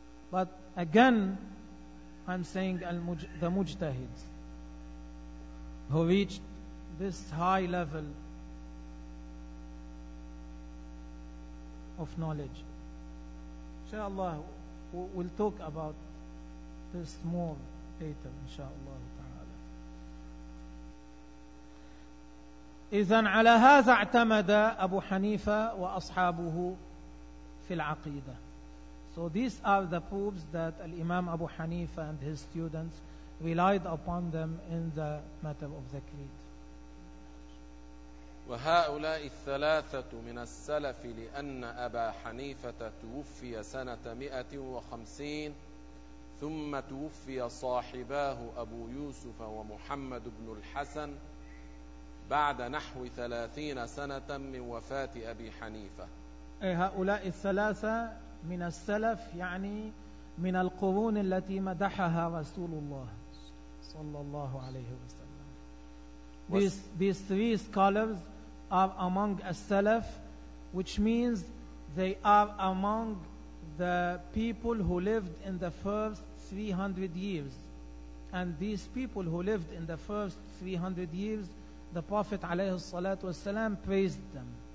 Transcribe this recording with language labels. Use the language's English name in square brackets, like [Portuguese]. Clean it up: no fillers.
[English] But again, I'm saying the mujtahids who reached this high level of knowledge. Inshallah, we'll talk about this more later, inshallah ta'ala. [Arabic] إذن على هذا اعتمد أبو حنيفة وأصحابه في العقيدة. [English] So these are the proofs that Imam Abu Hanifa and his students relied upon them in the matter of the creed. [Arabic] وهؤلاء الثلاثة من السلف لأن أبا حنيفة توفي سنة 150 ثم توفي صاحباه أبو يوسف ومحمد بن الحسن بعد نحو 30 سنة من وفاة أبي حنيفة. هؤلاء الثلاثة من السلف يعني من القرون التي مدحها رسول الله صلى الله عليه وسلم. [English] These three scholars are among as-salaf, which means they are among the people who lived in the first 300 years. And these people who lived in the first 300 years, the Prophet [Arabic] عليه الصلاة والسلام [English] praised them.